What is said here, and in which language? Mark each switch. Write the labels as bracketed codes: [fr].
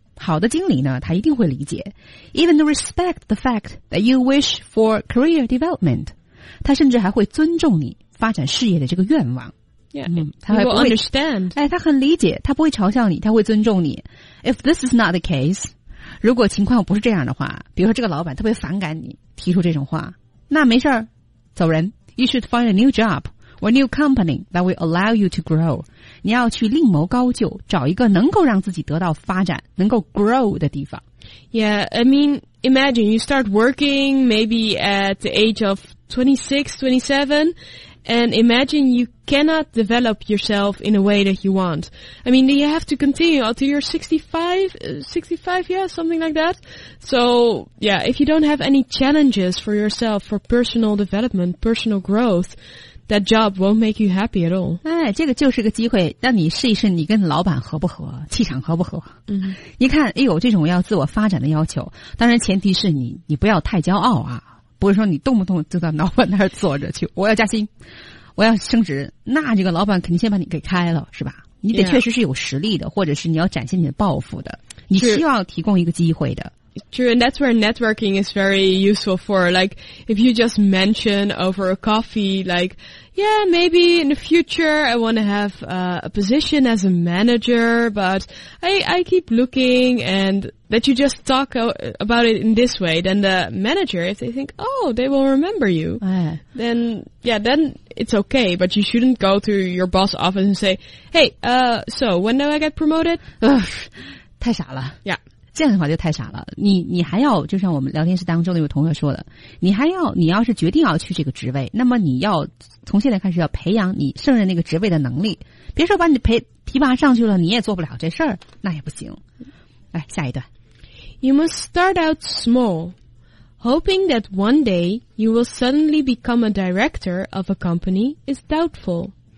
[zh] 好的经理呢，他一定会理解。 [en] Even respect the fact that you wish for career development. [zh] 他甚至还会尊重你发展事业的这个愿望。 [en] Yeah, he will understand. [zh] 哎，他很理解，他不会嘲笑你，他会尊重你。 [en] If this is not the case, [zh] 如果情况不是这样的话，比如说这个老板特别反感你提出这种话，那没事儿，走人。 [en] You should find a new job or a new company that will allow you to grow. [zh] 你要去另谋高就，找一个能够让自己得到发展，能够 grow 的地方。 [en] Yeah, I mean, imagine you start working maybe at the age of 26, 27, and imagine you cannot develop yourself in a way that you want. I mean, you have to continue until you're 65, yeah, something like that. So, yeah, if you don't have any challenges for yourself, for personal development, personal growth, that job won't make you happy at all. [zh] 哎，这个就是个机会，让你试一试你跟老板合不合，气场合不合。你看，哎呦，这种要自我发展的要求，当然前提是你不要太骄傲啊。不是说你动不动就到老板那儿坐着去，我要加薪，我要升职，那这个老板肯定先把你给开了，是吧？你得确实是有实力的， [en] yeah. [zh] 或者是你要展现你的抱负的，你需要提供一个机会的。 [en] True, and that's where networking is very useful for. Like, if you just mention over a coffee, like, yeah, maybe in the future I want to have a position as a manager, but I keep looking, and that you just talk about it in this way, then the manager, if they think, oh, they will remember you, then, yeah, then it's okay, but you shouldn't go to your boss office and say, hey, so when do I get promoted? [zh] 太傻了。 [en] Yeah. [zh] 这样的话就太傻了，你还要，就像我们聊天室当中的有同学说的，你要是决定要去这个职位，那么你要从现在开始要培养你胜任那个职位的能力，别说把你提拔上去了你也做不了这事儿，那也不行。来下一段。 [en] You must start out small, hoping that one day you will suddenly become a director of a company is doubtful.